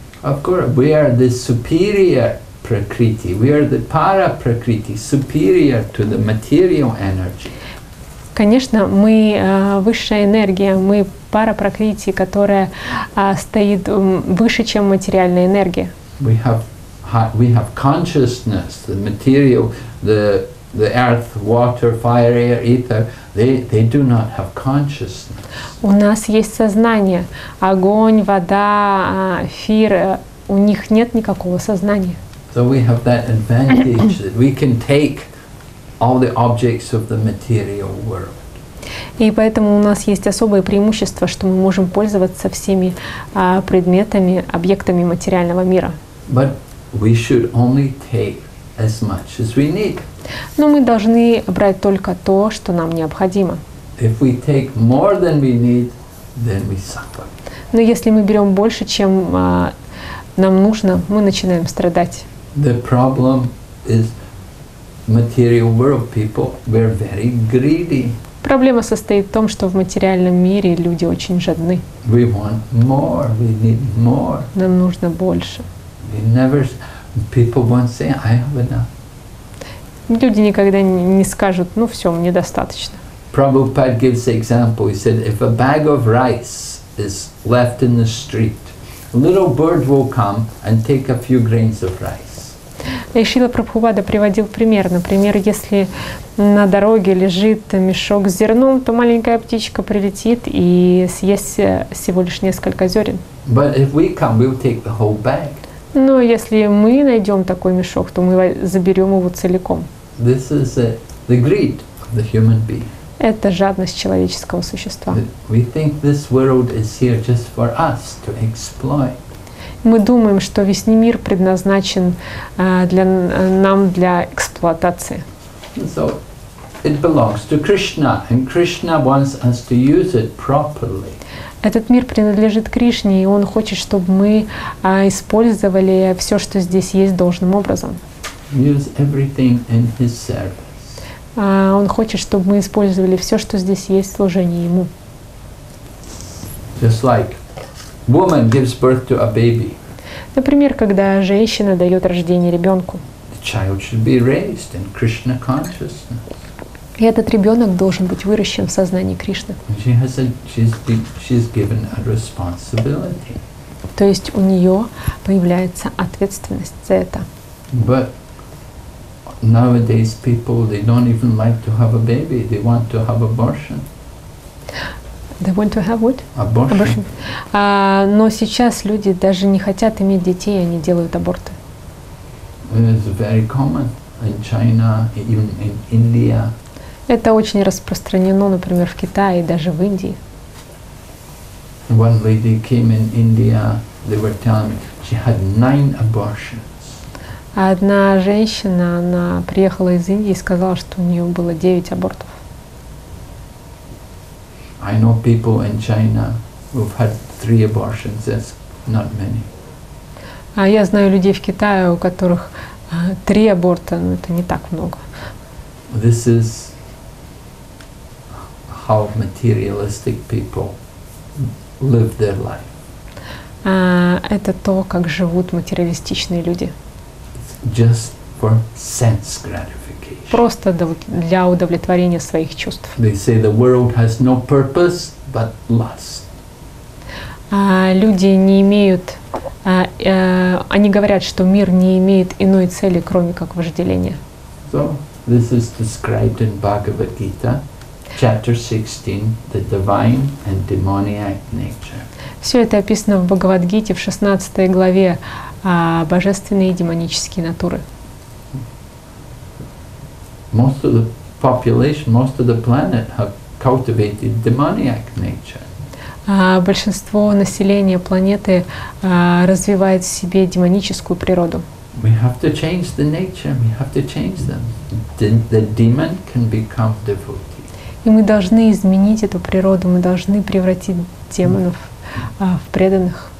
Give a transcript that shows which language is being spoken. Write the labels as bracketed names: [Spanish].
[English] Of course, we are the superior prakriti, we are the para prakriti, superior to the material energy. [Russian] Конечно, мы высшая энергия, мы пара прокрытий, которая стоит выше, чем материальная энергия. [English] We have consciousness, the material, the the earth, water, fire, air, ether, they do not have consciousness. [Russian] У нас есть сознание. Огонь, вода, эфир, у них нет никакого сознания. [English] So we have that advantage that we can take all the objects of the material world. [Russian] И поэтому у нас есть особое преимущество, что мы можем пользоваться всеми предметами, объектами материального мира. [English] But we should only take as much as we need. [Russian] Но мы должны брать только то, что нам необходимо. [English] If we take more than we need, then we suffer. [Russian] Но если мы берем больше, чем нам нужно, мы начинаем страдать. [English] The problem is material world people, we're very greedy. [Russian] Проблема состоит в том, что в материальном мире люди очень жадны. [English] We want more, we need more. [Russian] Нам нужно больше. [English] People won't say, I have enough. [Russian] Люди никогда не скажут, ну все, мне достаточно. [English] Prabhupada gives an example. He said, if a bag of rice is left in the street, a little bird will come and take a few grains of rice. [Russian] И Шрила Прабхупада приводил пример. Например, если на дороге лежит мешок с зерном, то маленькая птичка прилетит и съест всего лишь несколько зерен. [English] But if we come, we'll take the whole bag. [Russian] Но если мы найдем такой мешок, то мы заберем его целиком. [English] This is the greed of the human being. [Russian] Это жадность человеческого существа. [English] We think this world is here just for us to exploit. [Russian] Мы думаем, что весь мир предназначен для эксплуатации. [English] So it belongs to Krishna, and Krishna wants us to use it properly. [Russian] Этот мир принадлежит Кришне, и он хочет, чтобы мы использовали все, что здесь есть, должным образом. [English] Use everything in his service. [Russian] Он хочет, чтобы мы использовали все, что здесь есть, в служении ему. [English] Just like woman gives birth to a baby. [Russian] Например, когда женщина дает рождение ребенку. [English] The child should be raised in Krishna consciousness. [Russian] И этот ребенок должен быть выращен в сознании Кришны. [English] She's given a responsibility. [Russian] То есть у нее появляется ответственность за это. [English] But nowadays people, they don't even like to have a baby. They want to have abortion. They want to have what? Abortion. [Russian] Но сейчас люди даже не хотят иметь детей, они делают аборты. [English] It's very common in China, even in India. [Russian] Это очень распространено, например, в Китае, даже в Индии. [English] One lady came in India, they were telling me she had 9 abortions. [Russian] Одна женщина, она приехала из Индии и сказала, что у нее было 9 абортов. [English] I know people in China who've had 3 abortions. That's not many. [Russian] А я знаю людей в Китае, у которых 3 аборта, но это не так много. [English] This is how materialistic people live their life. [Russian] Это то, как живут материалистичные люди. [English] Just for sense gratification. [Russian] Просто для удовлетворения своих чувств. [English] They say the world has no purpose but lust. [Russian] Люди не имеют, они говорят, что мир не имеет иной цели, кроме как вожделения. [English] So this is described in Bhagavad Gita, chapter 16, the divine and demoniac nature. [Russian] Все это описано в Бхагавадгите в 16 главе, божественные и демонические натуры. [English] Most of the population, most of the planet have cultivated demoniac nature. [Russian] Большинство населения планеты развивает в себе демоническую природу. [English] We have to change the nature, we have to change them. The demon can become devotee. [Russian] И мы должны изменить эту природу, мы должны превратить демонов в преданных.